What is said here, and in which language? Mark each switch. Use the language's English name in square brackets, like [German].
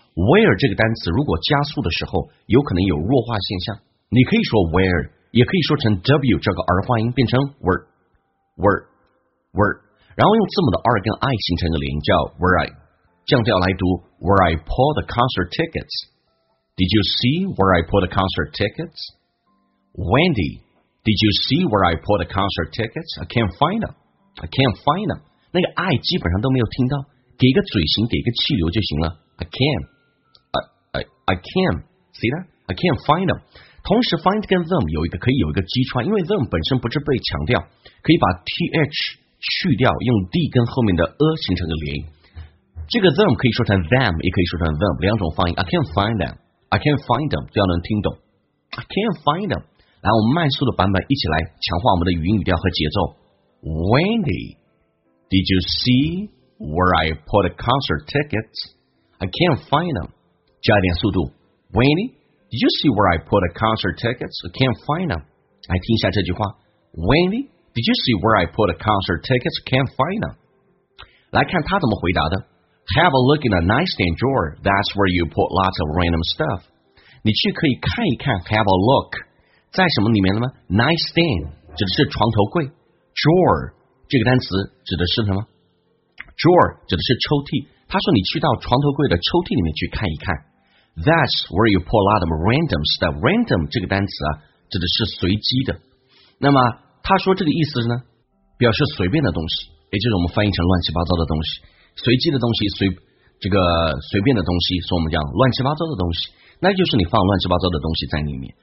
[Chinese] Where 这个单词如果加速的时候有可能有弱化现象，你可以说 where， 也可以说成 W 这个儿化音变成 where where where， 然后用字母的 R 跟 I 形成一个连音叫 where I， 降调来读 [English] Where I pull the concert tickets. Did you see where I pull the concert tickets? WendyDid you see where I put the concert tickets? I can't find them. I can't find them. [Chinese] 那个 I 基本上都没有听到，给个嘴型，给个气流就行了。 [English] I can't. See that? I can't find them. [Chinese] 同时 find 跟 them 有一个可以有一个击穿，因为 them 本身不是被强调，可以把 th 去掉，用 d 跟后面的 a 形成个连音。这个 them 可以说成 them， 也可以说成 them， 两种发音。 [English] I can't find them. I can't find them， [Chinese] 这样能听懂。 [English] I can't find them. [Chinese] 来，我们慢速的版本一起来强化我们的语音语调和节奏。 [English] Wendy, did you see where I put the concert tickets? I can't find them. [Chinese] 加一点速度。 [English] Wendy, did you see where I put the concert tickets? I can't find them. [Chinese] 来听一下这句话。 [English] Wendy, did you see where I put the concert tickets? I can't find them. [Chinese] 来看他怎么回答的。 [English] Have a look in the nightstand drawer. That's where you put lots of random stuff. [Chinese] 你去可以看一看。 [English] Have a look. [Chinese] 在什么里面了吗？ Nightstand 指的是床头柜， Drawer 这个单词指的是什么？ Drawer 指的是抽屉。他说你去到床头柜的抽屉里面去看一看。 [English] That's where you pull a lot of random stuff. [Chinese] Random 这个单词啊，指的是随机的。那么他说这个意思是呢，表示随便的东西，也就是我们翻译成乱七八糟的东西，随机的东西，随便的东西，所以我们讲乱七八糟的东西，那就是你放乱七八糟的东西在里面。